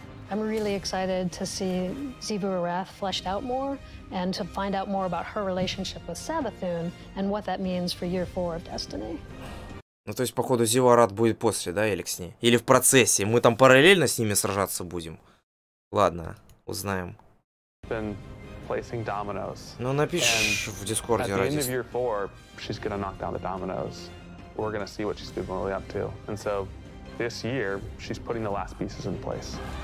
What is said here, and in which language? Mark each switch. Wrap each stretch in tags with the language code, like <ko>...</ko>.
<en>I'm really excited to see Zebul Wrath fleshed out more and to find out more about her relationship with Savathun and what that means for year 4 of Destiny.</en> <ru>Ну то есть походу Zebul Wrath будет после, да, Эликсни? Или в процессе? Мы там параллельно с ними сражаться будем? Ладно, узнаем.</ru> <en>Been placing dominoes.</en> <ru>Ну напишешь в Дискорде ради.</ru> <en>At the end of year 4, she's gonna knock down the dominoes. We're gonna see what she's been really up to. And so this year, she's putting the last pieces in place.</en>